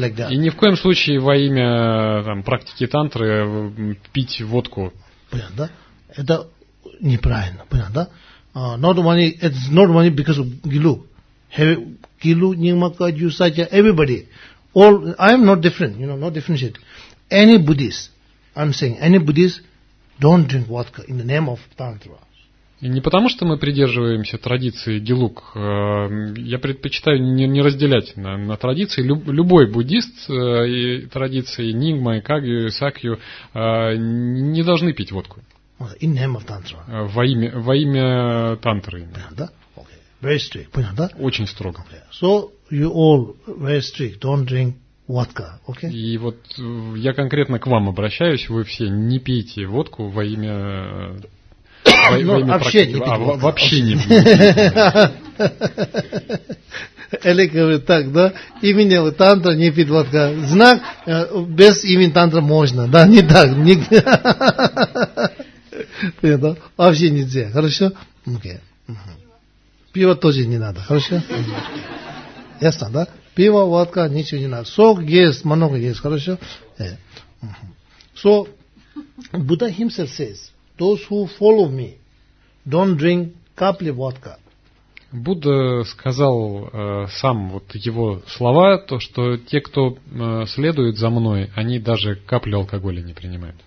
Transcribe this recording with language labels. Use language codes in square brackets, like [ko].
[ru] И ни в коем случае во имя там, практики тантры пить водку. Понятно, да? Это неправильно, понятно, да? [en] Not money, it's not money because of gilu. Gilu, nimaka, yusaja, everybody. All I am not different, you know, not differentiated. Any Buddhist, I'm saying, any Buddhist, don't drink vodka in the name of Tantra. [ru] И не потому, что мы придерживаемся традиции Гилук. Я предпочитаю не разделять на традиции. Любой буддист и традиции Нингма, Кагью, Сакью не должны пить водку. [en] In name of Tantra. [ru] Во имя Тантры. Понятно, да? Okay. Very strict. Понятно, да? Очень строго. Okay. [en] So, you all very strict, don't drink vodka, okay? [ru] И вот я конкретно к вам обращаюсь, вы все не пейте водку во имя вообще не пейте водку. Вообще не пейте. Элик говорит так, да? Имени тантра не пить водка. Знак, без имени тантра можно, да? Не так. Вообще нельзя, хорошо? Okay. Пиво тоже не надо, хорошо? Ясно, да? Пиво, водка, ничего не надо. Сок есть, много есть, хорошо? [en] Yeah. So, Buddha himself says, those who follow me, don't drink [ru] капли водка. Будда сказал сам вот его слова, то, что те, кто следует за мной, они даже капли алкоголя не принимают.